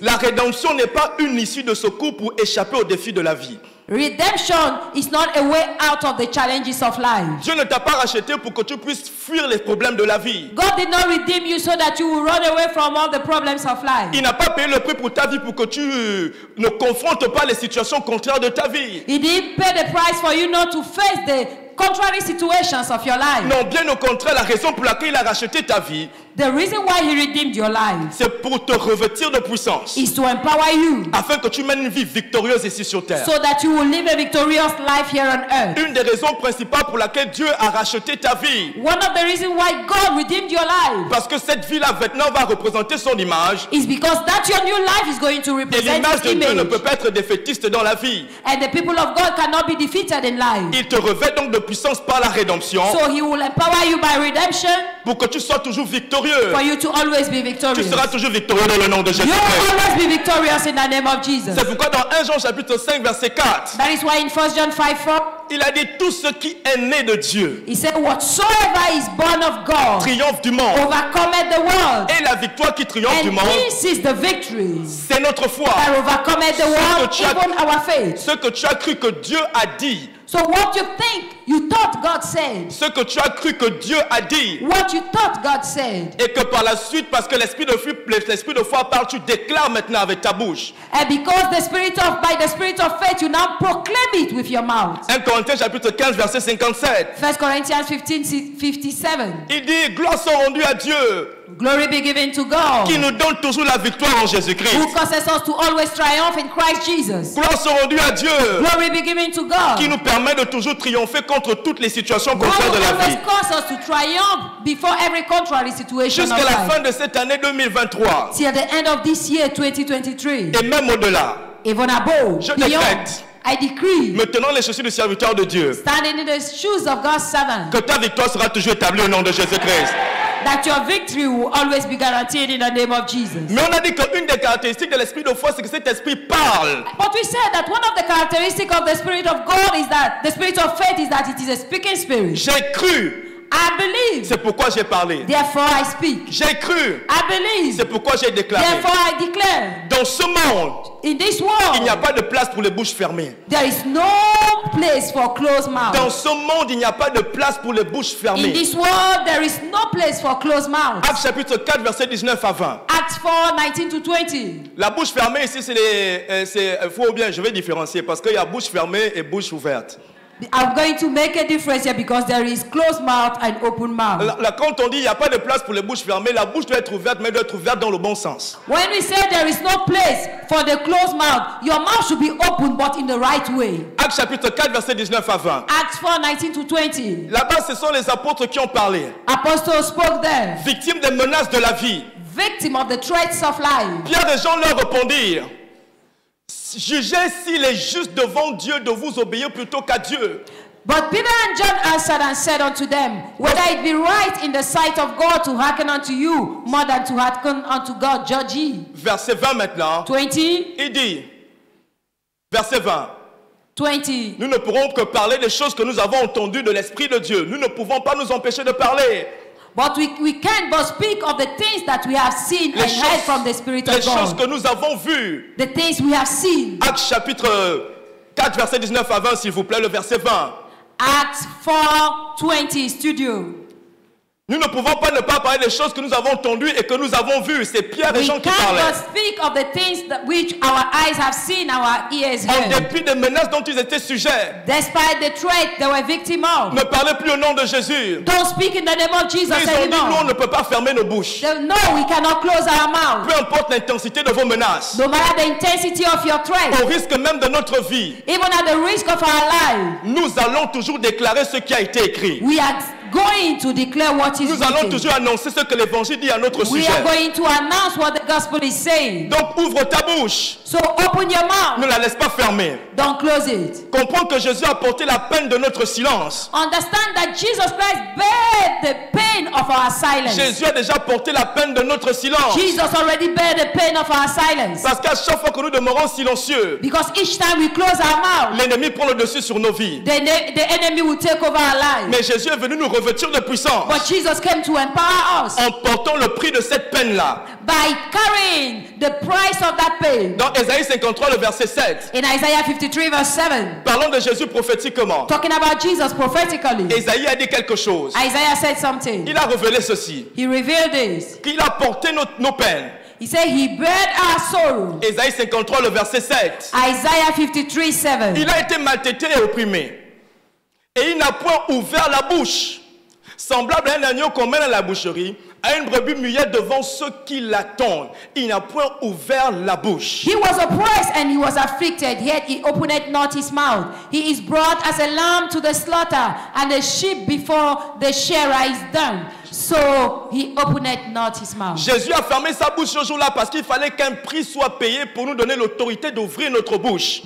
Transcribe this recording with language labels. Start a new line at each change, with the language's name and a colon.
French: La rédemption n'est pas une issue de secours pour échapper aux défis de la vie.
English: Redemption is not a way out of the challenges of life.
French: Dieu ne t'a pas racheté pour que tu puisses fuir les problèmes de la vie.
English: God did not redeem you so that you will run away from all the problems of life.
French: Il n'a pas payé le prix pour ta vie pour que tu ne confrontes pas les situations contraires de ta vie.
English: He didn't pay the price for you not to face the contrary situations of your life.
French: Non, bien au contraire, la raison pour laquelle il a racheté ta vie.
English: The reason why he redeemed your life.
French: C'est pour te revêtir de puissance.
English: Is to empower you.
French: Afin que tu mènes une vie victorieuse ici sur terre.
English: So that you will live a victorious life here on earth.
French: Une des raisons principales pour laquelle Dieu a racheté ta vie.
English: One of the reasons why God redeemed your life.
French: Parce que cette vie-là, maintenant, va représenter son image.
English: Is because that your new life is going to represent his image.
French: Et l'image de Dieu ne peut pas être défaitiste dans la vie.
English: And the people of God cannot be defeated in life.
French: Il te revêt donc de puissance par la rédemption.
English: So he will empower you by redemption.
French: pour que tu sois toujours victorieux.
English: For you to always be victorious.
French: Tu seras toujours victorieux dans le nom de Jésus.
English: You will always be victorious in the name of Jesus.
French: C'est pourquoi dans 1 Jean chapitre 5 verset 4.
English: That is why in 1 John 5, 4,
French: il a dit tout ce qui est né de Dieu.
English: He said whatsoever is born of God.
French: Triomphe du monde.
English: Overcometh the world.
French: Et la victoire qui triomphe du monde.
English: And this is the victory.
French: C'est notre foi.
English: That overcometh the world, even our faith.
French: Ce que tu as cru que Dieu a dit.
English: So what you think you thought God said.
French: Ce que tu as cru que Dieu a dit.
English: What you thought God said.
French: Et que par la suite, parce que l'esprit de foi parle, tu déclares maintenant avec ta bouche.
English: And because by the spirit of faith, you now proclaim it with your mouth.
French: 1 Corinthiens chapitre 15 verset 57.
English: 1 Corinthians 15:57.
French: Il dit, gloire soit rendue à Dieu.
English: Glory be given to God.
French: Qui nous donne toujours la victoire en Jésus-Christ.
English: Who causes us to always triumph in Christ Jesus.
French: Gloire soit rendue à Dieu.
English: Glory be given to God.
French: Qui nous permet de toujours triompher contre toutes les situations contraires de la vie.
English: Who causes us to triumph before every contrary situation.
French: Jusqu'à la fin de cette année 2023.
English: Till the end of this year 2023.
French: Et même au-delà.
English: Even above.
French: Je décrète.
English: I decree,
French: me tenant les chaussures du serviteur de Dieu,
English: standing in the shoes of God's servant,
French: que ta victoire sera toujours établie au nom de Jésus-Christ.
English: That your victory will always be guaranteed in the name of Jesus.
French: Mais on a dit qu'une des caractéristiques de l'esprit de foi, c'est que cet esprit parle.
English: But we said that one of the characteristics of the spirit of God is that the spirit of faith is that it is a speaking spirit.
French: J'ai cru.
English: I believe.
French: C'est pourquoi j'ai parlé.
English: Therefore I speak.
French: J'ai cru.
English: I believe.
French: C'est pourquoi j'ai déclaré.
English: Therefore I declare.
French: Dans ce monde,
English: in this world,
French: il n'y a pas de place pour les bouches fermées.
English: There is no place for closed mouths.
French: Dans ce monde, il n'y a pas de place pour les bouches fermées.
English: In this world, there is no place for closed mouths.
French: Acts chapitre 4 verset 19 à 20.
English: Acts 4, 19 to 20.
French: La bouche fermée ici, c'est faut bien, je vais différencier parce qu'il y a bouche fermée et bouche ouverte.
English: I'm going to make a difference here because there is closed mouth and open mouth.
French: La quand on dit il y a pas de place pour les bouches fermées, la bouche doit être ouverte, mais doit être ouverte dans le bon sens.
English: When we say there is no place for the closed mouth, your mouth should be open but in the right way.
French: Acts chapitre 4 verset 19 à 20.
English: Acts 4 19 to 20.
French: Là-bas ce sont les apôtres qui ont parlé.
English: Apostles spoke there.
French: Victime des menaces de la vie.
English: Victim of the threats of life.
French: Pierre et Jean leur répondirent. Jugez s'il est juste devant Dieu de vous obéir plutôt qu'à Dieu.
English: But Peter and John answered and said unto them, whether it be right in the sight of God to hearken unto you more than to hearken unto God, judge ye.
French: Verset 20 maintenant. 20. Il dit, verset 20. 20. Nous ne pourrons que parler des choses que nous avons entendues de l'Esprit de Dieu. Nous ne pouvons pas nous empêcher de parler.
English: But we can't but speak of the things that we have seen
French: les
English: and choses, heard from the Spirit of God.
French: Les choses que nous avons vues.
English: The things we have seen.
French: Acts chapitre 4 verset 19 à 20, s'il vous plaît, le verset 20.
English: Acts 4, 20, studio.
French: Nous ne pouvons pas ne pas parler des choses que nous avons entendues et que nous avons vues. C'est Pierre et Jean qui parlaient.
English: We can't but speak of the things that which our eyes have seen, our ears heard.
French: En dépit des menaces dont ils étaient sujets.
English: Despite the threat they were victim of.
French: Ne parlez plus au nom de Jésus.
English: Don't speak in the name of Jesus anymore.
French: Ils ont dit, nous, on ne peut pas fermer nos bouches.
English: No, we cannot close our mouth.
French: Peu importe l'intensité de vos menaces.
English: No matter the intensity of your threat.
French: Au risque même de notre vie.
English: Even at the risk of our life.
French: Nous allons toujours déclarer ce qui a été écrit.
English: We are going to declare what is
French: nous allons toujours annoncer ce que l'évangile dit à notre
English: we
French: sujet.
English: We are going to announce what the gospel is saying.
French: Donc ouvre ta bouche.
English: So open your mouth.
French: Ne la laisse pas fermer.
English: Don't close it.
French: Comprends que Jésus a porté la peine de notre silence.
English: Understand that Jesus Christ bear the pain of our silence.
French: Jésus a déjà porté la peine de notre silence.
English: Jesus already bear the pain of our silence.
French: Parce qu'à chaque fois que nous demeurons silencieux,
English: because each time we close our mouth,
French: l'ennemi prend le dessus sur nos vies.
English: The enemy will take over our lives.
French: Mais Jésus est venu nous revêtir de puissance.
English: But Jesus came to empower us.
French: En portant le prix de cette peine-là.
English: By carrying the price of that pain.
French: Dans Ésaïe 53, le verset 7.
English: In Isaiah 53, verse 7.
French: Parlons de Jésus prophétiquement.
English: Talking about Jesus prophetically.
French: Ésaïe a dit quelque chose.
English: Isaiah said something.
French: Il a révélé ceci.
English: He revealed this.
French: Qu'il a porté nos peines.
English: He said he bared our sorrow.
French: Ésaïe 53, le verset 7.
English: Isaiah 53, 7.
French: Il a été maltraité et opprimé. Et il n'a point ouvert la bouche. Semblable à un agneau qu'on mène à la boucherie, à une brebis muette devant ceux qui l'attendent. Il n'a point ouvert la bouche.
English: He was oppressed and he was afflicted, yet he opened not his mouth. He is brought as a lamb to the slaughter, and a sheep before the shearer is dumb. So he opened not his mouth.
French: Jésus a fermé sa bouche ce jour-là parce qu'il fallait qu'un prix soit payé pour nous donner l'autorité d'ouvrir notre bouche.